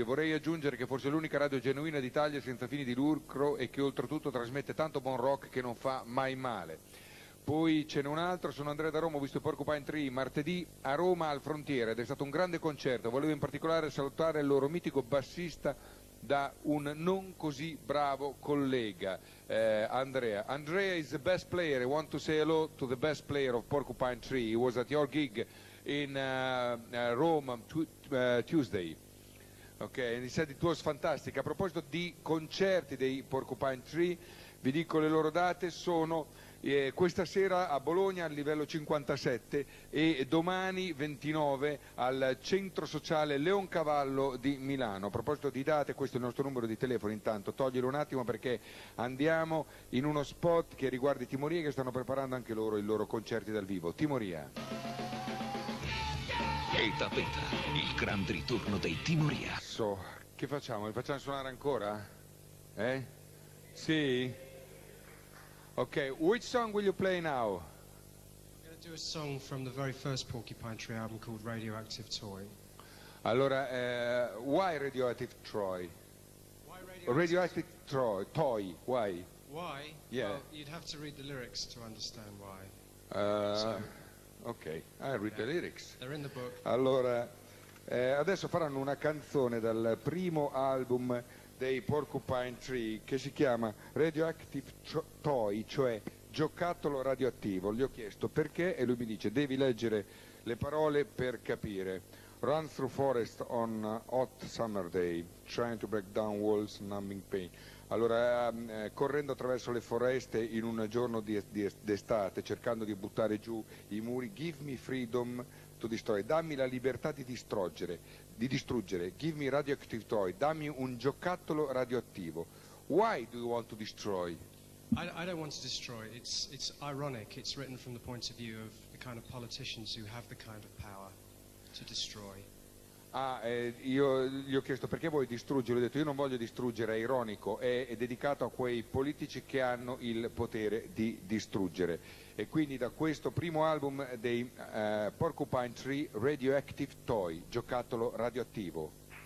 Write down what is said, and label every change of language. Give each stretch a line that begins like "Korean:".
Italian: E vorrei aggiungere che forse è l'unica radio genuina d'Italia senza fini di lucro e che oltretutto trasmette tanto buon rock che non fa mai male. Poi ce n'è un altro, sono Andrea da Roma, ho visto Porcupine Tree martedì a Roma al Frontiere ed è stato un grande concerto. Volevo in particolare salutare il loro mitico bassista da un non così bravo collega, Andrea.
English: Andrea is the best player, I want to say hello to the best player of Porcupine Tree. He was at your gig in Roma Tuesday. Ok, and he said it was fantastic.
Italian: A proposito di concerti dei Porcupine Tree, vi dico le loro date, sono... questa sera a Bologna al livello 57 e domani 29 al centro sociale Leon Cavallo di Milano. A proposito di date, questo è il nostro numero di telefono, intanto toglielo un attimo perché andiamo in uno spot che riguarda i Timoria, che stanno preparando anche loro i loro concerti dal vivo. Timoria. E da Petra, il grande ritorno dei Timoria. So, che facciamo? Li facciamo suonare ancora? Eh? Sì?
English: Okay, which song will you play now? I'm going to do a song from the very first Porcupine Tree album called Radioactive Toy. Allora, why Radioactive Troy? Why Radioactive Troy? Toy, why? Why? Yeah. Well, you'd have to read the lyrics to understand why. Okay, I read the lyrics. They're in the book.
Italian: Allora, adesso faranno una canzone dal primo album dei Porcupine Tree che si chiama Radioactive Toy, cioè giocattolo radioattivo. Gli ho chiesto perché e lui mi dice devi leggere le parole per capire.
English: Run through forest on hot summer day, trying to break down walls, numbing pain.
Italian: Allora, correndo attraverso le foreste in un giorno d'estate, cercando di buttare giù i muri,
English: give me freedom to destroy,
Italian: dammi la libertà di distruggere.
English: Give me radioactive toy,
Italian: dammi un giocattolo radioattivo.
English: Why do you want to destroy? I don't want to destroy. It's ironic. It's written from the point of view of the kind of politicians who have the kind of power to destroy.
Italian: Ah, io gli ho chiesto perché vuoi distruggere, ho detto io non voglio distruggere, è ironico, è dedicato a quei politici che hanno il potere di distruggere. E quindi da questo primo album dei Porcupine Tree, Radioactive Toy, giocattolo radioattivo.